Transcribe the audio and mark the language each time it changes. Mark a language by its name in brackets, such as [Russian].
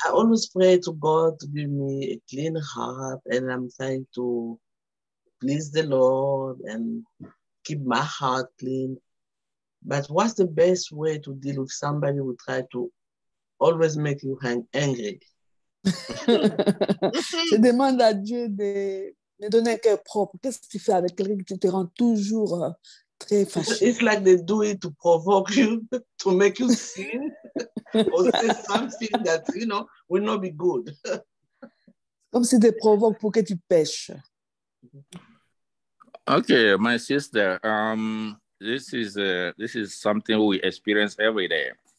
[English] I always pray to God to give me a clean heart, and I'm trying to please the Lord and keep my heart clean. But what's the best way to deal with somebody who tries to always make you angry? [French] Je demande à Dieu de me donner un cœur propre. Qu'est-ce que tu fais avec quelqu'un qui te rend toujours très fâché? [English] It's like they do it to provoke you, to make you sin, or say something that, you know, will not be good. [French] Comme si tu provoques pour que tu pêches. [English] Okay, my sister, this is something we experience every day.